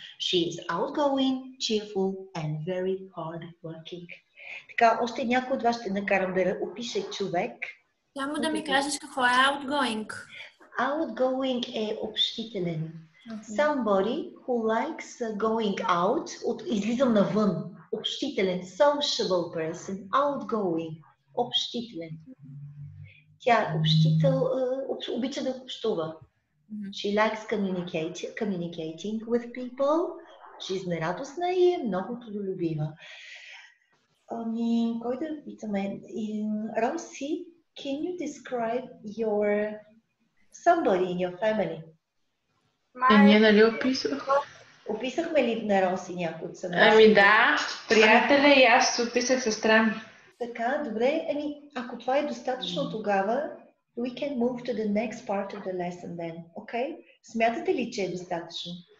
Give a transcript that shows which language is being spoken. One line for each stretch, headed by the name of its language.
English: She is outgoing, cheerful and very hard working.
Bulgarian: Така, още някой от вас ще накарам да опише човек. Само да ми кажеш какво е outgoing.
English: Outgoing
Bulgarian: е общителен.
English: Somebody who likes going out,
Bulgarian: излизам навън.
English: Общителен, sociable person, outgoing, общителен.
Bulgarian: Тя общител, обича да общува.
English: She likes communicating with people.
Bulgarian: Жизнерадостна и е много трудолюбива. Ами, кой да питаме?
English: Роси, can you describe your somebody in your family?
Bulgarian: Ние нали описах? Описахме ли на Роси някой от семейството? Ами да, приятеля и аз описах сестра. Така, добре. Ами, ако това е достатъчно тогава,
English: we can move to the next part of the lesson then, okay?
Bulgarian: Смятате ли, че е достатъчно?